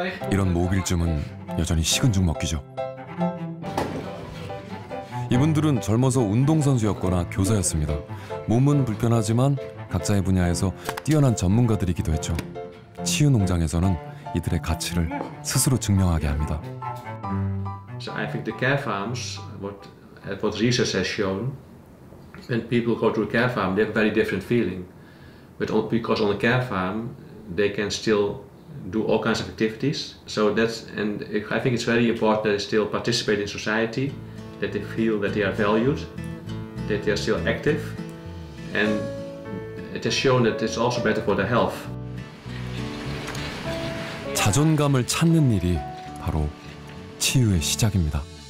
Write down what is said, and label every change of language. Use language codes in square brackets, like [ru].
[ko] 이런 모빌쯤은 여전히 식은 죽 먹기죠. 이분들은 젊어서 운동선수였거나 교사였습니다. 몸은 불편하지만 각자의 분야에서 뛰어난 전문가들이기도 했죠. 치유 농장에서는 이들의 가치를 스스로 증명하게 합니다. [en] So I think the care farms, what research has shown, when people go to a care farm, they have a very different feeling. But because on a care farm, they can still do all kinds of activities. So that's, and I think it's very important that they still participate in society, that they feel that they are valued, that they are still active. And it has shown that it's also better for their health. [ko] 자존감을 찾는 일이 바로 치유의 시작입니다.